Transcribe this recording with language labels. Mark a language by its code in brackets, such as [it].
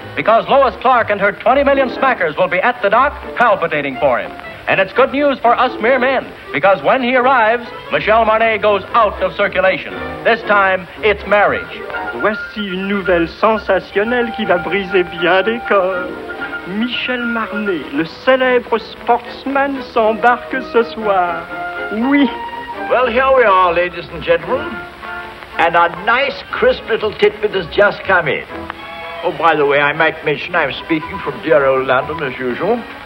[en] Because Lois Clark and her 20 million smackers will be at the dock palpitating for him. And it's good news for us mere men, because when he arrives, Michel Marnet goes out of circulation. This time, it's marriage. [fr] Voici une nouvelle sensationnelle qui va briser bien des corps. Michel Marnet, le célèbre sportsman, s'embarque ce soir. Oui. [en] Well, here we are, ladies and gentlemen. And a nice, crisp little titbit has just come in. Oh, by the way, I might mention I'm speaking from dear old London, as usual.